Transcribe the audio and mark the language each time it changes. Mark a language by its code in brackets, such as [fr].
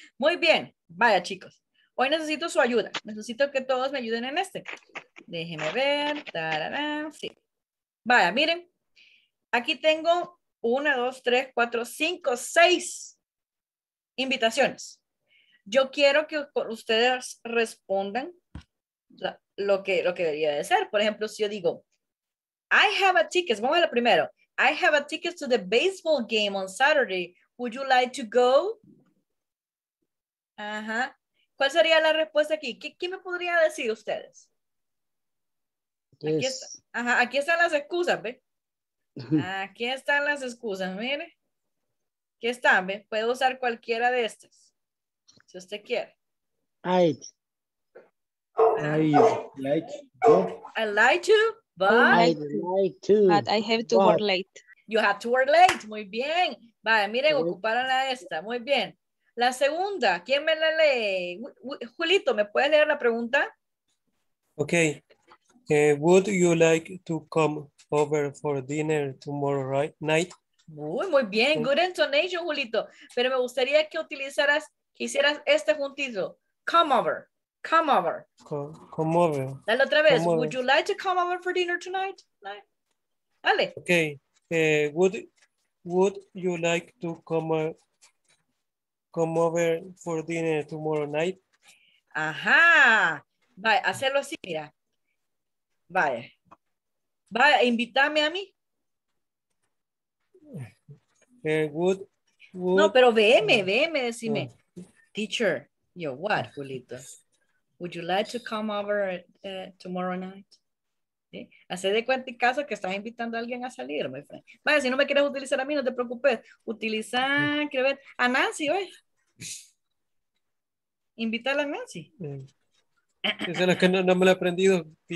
[es] Muy bien, vaya chicos. Hoy necesito su ayuda. Necesito que todos me ayuden en este. Déjenme ver. Tararán. Sí. Vaya, miren. Aquí tengo 1, 2, 3, 4, 5, 6 invitaciones. Yo quiero que ustedes respondan lo que debería de ser. Por ejemplo, si yo digo, [en] I have a ticket. [es] Vamos a lo primero. [en] I have a ticket to the baseball game on Saturday. Would you like to go? Ajá. [es] ¿Cuál sería la respuesta aquí? ¿Qué me podría decir ustedes? Aquí están las excusas, ¿ve? Aquí están las excusas, mire. Aquí están, ¿ve? Puedo usar cualquiera de estas. Si usted quiere. [en] I'd like to, but I have to work late. You have to work late. [es] Muy bien. Vale, miren, ocuparon la esta. Muy bien. La segunda, ¿quién me la lee? Julito, ¿me puedes leer la pregunta? Ok. [en] Would you like to come over for dinner tomorrow night? [es] Uy, muy bien. [en] Good intonation, [es] Julito. Pero me gustaría que utilizaras, hicieras este juntito. [en] Come over. Come over. Come over. [es] Dale otra vez. [en] Come would over. You like to come over for dinner tonight? [es] Dale. [en] Ok. Would you like to come over? Come over for dinner tomorrow night. [es] Ajá. Vaya, hacerlo así, mira. Vaya. Vaya, invítame a mí. [en] Would. [es] No, pero veme, decime. [en] Teacher, [es] yo, [en] what, [es] Julito? [en] Would you like to come over tomorrow night? [es] ¿Sí? Hace de cuenta y caso que estás invitando a alguien a salir, [en] my friend. [es] Vaya, si no me quieres utilizar a mí, no te preocupes. Utiliza, quiero ver, a Nancy, oye. Invítala a Nancy. Sí. Esa es la que no me la he aprendido.